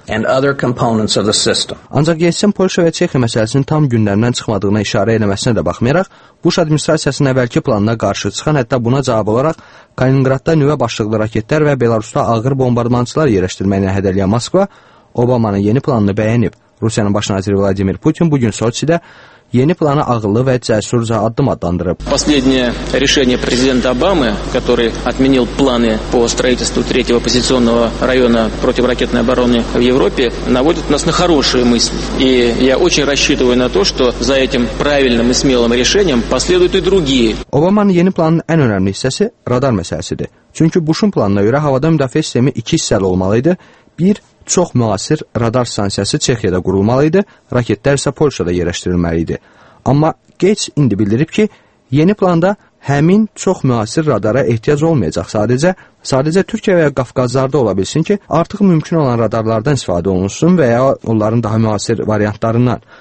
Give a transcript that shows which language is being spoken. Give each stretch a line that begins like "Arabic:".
Azerbaijani: Ancaq GSM Polşa və Çexiyə məsələsinin tam gündəmdən çıxmadığına işarə eləməsinə də baxmayaraq, Bush administrasiyasının əvvəlki planına qarşı çıxan hətta buna cavab olaraq Kaliningradda nüvə başlıqlı raketlər və Belarusda ağır bombardmançılar yerləşdirməyini hədələyən Moskva Obamanın yeni planını bəyənib. Rusiyanın baş naziri Vladimir Putin bugün Soçidə yeni planı ağıllı və cəsurca addım adlandırıb.
Russian: Последнее решение президента Обамы, который отменил планы по строительству третьего оппозиционного района противоракетной обороны в Европе, наводит нас на хорошие мысли. И я очень рассчитываю на то, что за этим правильным и смелым решением последуют и другие.
Azerbaijani: Обаманın yeni planının ən önəmli hissəsi radar məsələsidir. Çünki Bush-un planına görə havada müdafiə sistemi 2 hissəli olmalı idi. 1 Çox müasir radar stansiyası Çexiyədə qurulmalı idi, raketlər isə Polşada yerləşdirilməli idi. Amma Geç indi bildirib ki, yeni planda həmin çox müasir radara ehtiyac olmayacaq sadəcə Türkiyə və ya Qafqazlarda ola bilsin ki, artıq mümkün olan radarlardan istifadə olunsun və ya onların daha müasir variantlarından.